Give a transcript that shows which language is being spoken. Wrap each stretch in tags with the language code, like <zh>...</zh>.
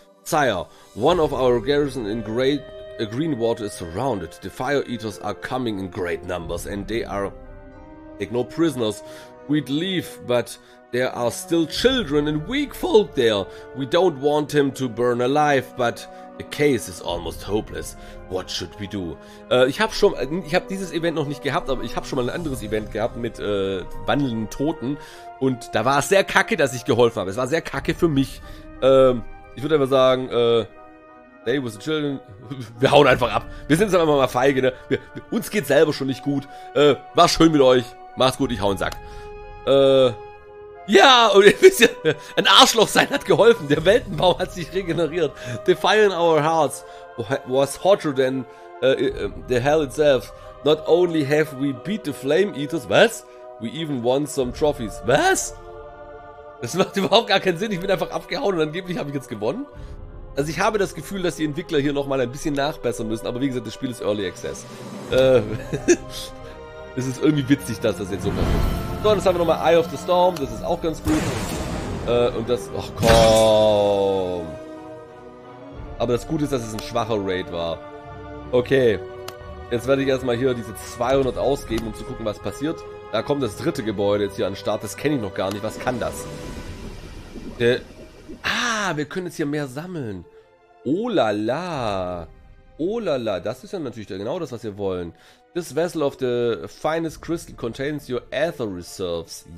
<en>Sire, one of our garrison in Great Greenwater is surrounded. The Fire Eaters are coming in great numbers and they are no prisoners. We'd leave, but there are still children and weak folk there. We don't want him to burn alive, but the case is almost hopeless. What should we do?</en> <de>Ich habe dieses Event noch nicht gehabt, aber ich habe schon mal ein anderes Event gehabt mit wandelnden Toten. Und da war es sehr kacke, dass ich geholfen habe. Es war sehr kacke für mich. Ich würde einfach sagen, hey, wo sind die Children? Wir hauen einfach ab. Wir sind jetzt einfach mal feige, ne? Uns geht selber schon nicht gut. War schön mit euch. Macht's gut, ich hau einen Sack. Ja, und ihr wisst ja, ein Arschloch sein hat geholfen. Der Weltenbau hat sich regeneriert.</de> <en>The fire in our hearts was hotter than the hell itself. Not only have we beat the flame eaters,</en> <de>was?</de> <en>We even won some trophies.</en> <de>Was? Das macht überhaupt gar keinen Sinn. Ich bin einfach abgehauen und angeblich habe ich jetzt gewonnen. Also ich habe das Gefühl, dass die Entwickler hier nochmal ein bisschen nachbessern müssen. Aber wie gesagt, das Spiel ist Early Access. es ist irgendwie witzig, dass das jetzt so passiert. So, und jetzt haben wir nochmal Eye of the Storm. Das ist auch ganz gut. Und das... Ach komm. Aber das Gute ist, dass es ein schwacher Raid war. Okay. Jetzt werde ich erstmal hier diese 200 ausgeben, um zu gucken, was passiert. Da kommt das dritte Gebäude jetzt hier an den Start. Das kenne ich noch gar nicht. Was kann das? Wir können jetzt hier mehr sammeln. Oh la la. Oh la la. Das ist ja natürlich genau das, was wir wollen.</de> <en>This vessel of the finest crystal contains your aether reserves.</en>